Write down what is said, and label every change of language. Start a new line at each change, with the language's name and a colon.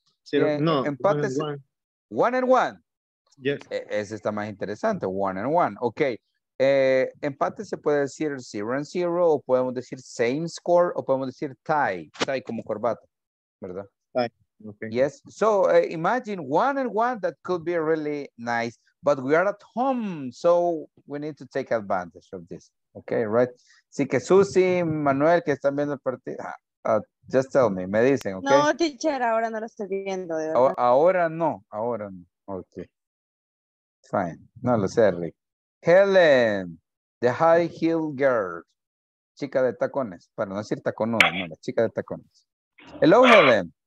Spanish: 0-0. Empate. 1-1.
English: Yes.
Spanish: Ese está más interesante. 1-1. Okay. Empate se puede decir 0-0, o podemos decir
English: same score,
Spanish: o podemos decir tie como corbata, ¿verdad?
English: Tie. Okay. Yes. So imagine 1-1, that could be really nice, but we are at home, so we need to take advantage of this. Okay, right?
Spanish: Sí, que Susi, Manuel, que están viendo el partido,
English: just tell me,
Spanish: me dicen, okay? No, teacher, ahora no lo estoy viendo, de verdad. Ahora no. Okay. Fine. No lo sé, Rick. Helen,
English: the high heel girl,
Spanish: chica de tacones, para no decir taconuda, no, la chica de tacones.
English: Hello, Helen.